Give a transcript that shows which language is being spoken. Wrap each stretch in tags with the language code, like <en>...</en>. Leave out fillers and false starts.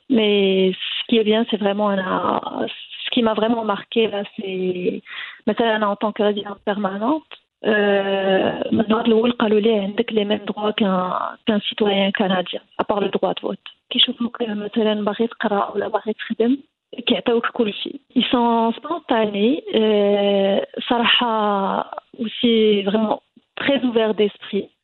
<fr>Mais ce qui est bien, c'est vraiment ce qui m'a vraiment marqué là, c'est maintenant en tant que résidente permanente, Maintenant,</fr> <ar>قالوا لي عندك</ar> <fr>les mêmes droits qu'un citoyen canadien, à part le droit de vote.</fr> <ar>كيشوفوك مثلا باغي تقرا ولا باغي تخدم كيعطيوك كل شيء.</ar> <fr>Ils sont spontanés, صراحة aussi vraiment très ouverts d'esprit.</fr>